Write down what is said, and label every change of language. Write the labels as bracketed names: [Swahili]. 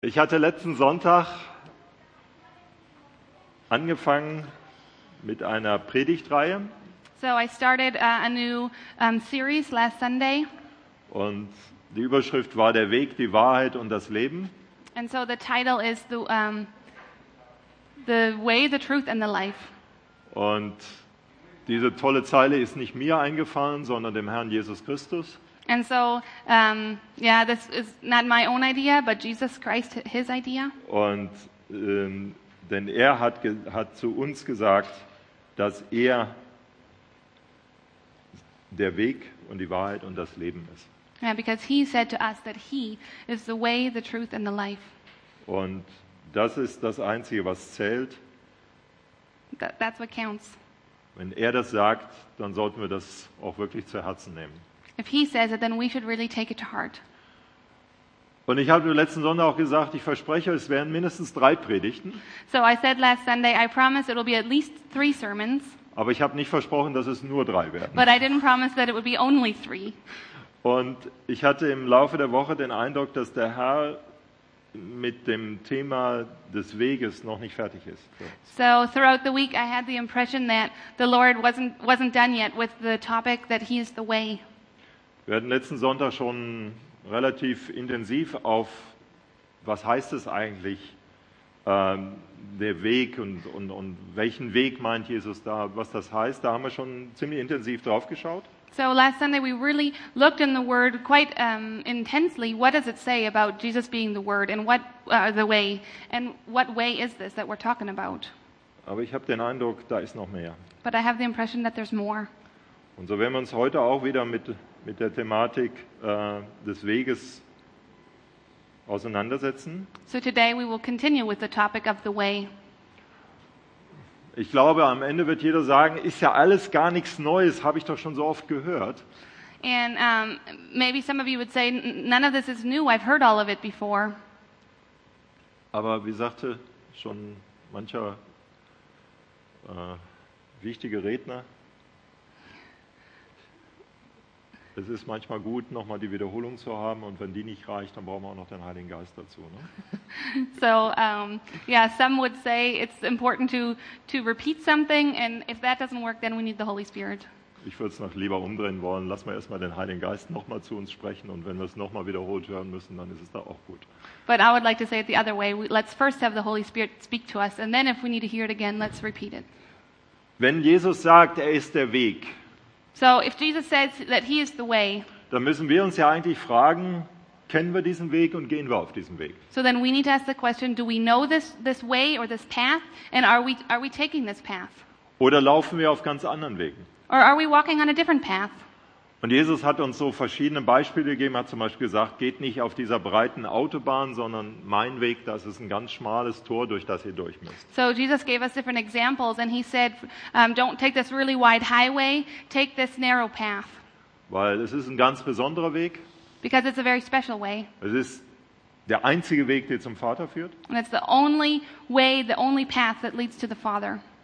[German] Ich hatte letzten Sonntag angefangen mit einer Predigtreihe. [English] So I started a new series last Sunday. [German] Und die Überschrift war der Weg, die Wahrheit und das Leben. [English] And so the title is the way, the truth and the life. [German] Und diese tolle Zeile ist nicht mir eingefallen, sondern dem Herrn Jesus Christus. [English] And so, this is not my own idea, but Jesus Christ, his idea. [German] Und denn er hat zu uns gesagt, dass er der Weg und die Wahrheit und das Leben ist. [English] Yeah, because he said to us that he is the way, the truth and the life. [German] Und das ist das Einzige, was zählt. [English] That's what counts. [German] Wenn er das sagt, dann sollten wir das auch wirklich zu Herzen nehmen. [English] If he says it, then we should really take it to heart. [German] Und ich habe letzten Sonntag auch gesagt, ich verspreche, es werden mindestens 3 Predigten. [English] So I said last Sunday, I promise it will be at least 3 sermons. [German] Aber ich habe nicht versprochen, dass es nur 3 werden. [English] But I didn't promise that it would be only 3. [German] Und ich hatte im Laufe der Woche den Eindruck, dass der Herr mit dem Thema des Weges noch nicht fertig ist. [English] So throughout the week I had the impression that the Lord wasn't done yet with the topic that he is the way. [German] Wir hatten letzten Sonntag schon relativ intensiv auf, was heißt es eigentlich, der Weg und welchen Weg meint Jesus da, was das heißt. Da haben wir schon ziemlich intensiv drauf geschaut. [English] So last Sunday we really looked in the Word quite intensely. What does it say about Jesus being the Word and what the way? And what way is this that we're talking about? [German] Aber ich habe den Eindruck, da ist noch mehr. [English] But I have the impression that there's more. [German] Und so werden wir uns heute auch wieder mit der Thematik des Weges auseinandersetzen. [English] So today we will continue with the topic of the way. [German] Ich glaube, am Ende wird jeder sagen, ist ja alles gar nichts Neues, habe ich doch schon so oft gehört. [English] And maybe some of you would say, none of this is new, I've heard all of it before. [German] Aber wie sagte schon mancher wichtige Redner, es ist manchmal gut, nochmal die Wiederholung zu haben, und wenn die nicht reicht, dann brauchen wir auch noch den Heiligen Geist dazu. Ne? [English] So, yeah, some would say it's important to repeat something, and if that doesn't work, then we need the Holy Spirit. [German] Ich würde es noch lieber umdrehen wollen. Lass mal erstmal den Heiligen Geist nochmal zu uns sprechen, und wenn wir es nochmal wiederholt hören müssen, dann ist es da auch gut. [English] But I would like to say it the other way. Let's first have the Holy Spirit speak to us, and then if we need to hear it again, let's repeat it. [German] Wenn Jesus sagt, er ist der Weg. [English] So if Jesus says that he is the way, [German] dann müssen wir uns ja eigentlich fragen, kennen wir diesen Weg und gehen wir auf diesem Weg? [English] So then we need to ask the question, do we know this way or this path, and are we taking this path? [German] Oder laufen wir auf ganz anderen Wegen? [English] Or are we walking on a different path? [German] Und Jesus hat uns so verschiedene Beispiele gegeben, hat zum Beispiel gesagt, geht nicht auf dieser breiten Autobahn, sondern mein Weg, das ist ein ganz schmales Tor, durch das ihr durch müsst. [English] So Jesus gave us different examples and he said, don't take this really wide highway, take this narrow path. [German] Weil es ist ein ganz besonderer Weg. [English] Because it's a very special way. [German] Es ist der einzige Weg, der zum Vater führt. [English] And it's the only way, the only path that leads to the Father.